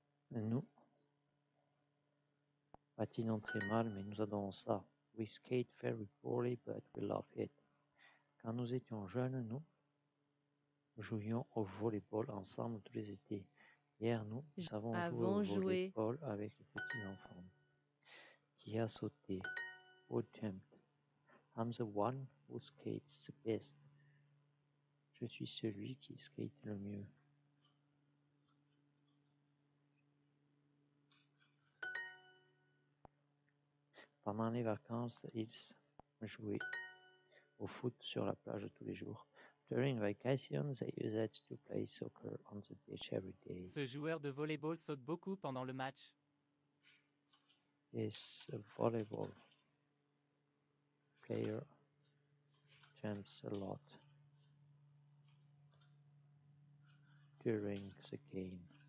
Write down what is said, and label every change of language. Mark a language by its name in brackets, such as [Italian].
[French] Nous patinons très mal, mais nous adorons ça. [English] We skate very poorly, but we love it. [French] Quand nous étions jeunes, nous jouions au volleyball ensemble tous les étés. Hier, nous avons joué au volleyball avec les petits enfants. Qui a sauté? [English] Who jumped? I'm the one who skates the best. [French] Je suis celui qui skate le mieux. Pendant les vacances, ils jouaient au foot sur la plage tous les jours. [English] During vacations, they used to play soccer on the beach every day. [French] Ce joueur de volleyball saute beaucoup pendant le match. [English] This volleyball player jumps a lot during the game.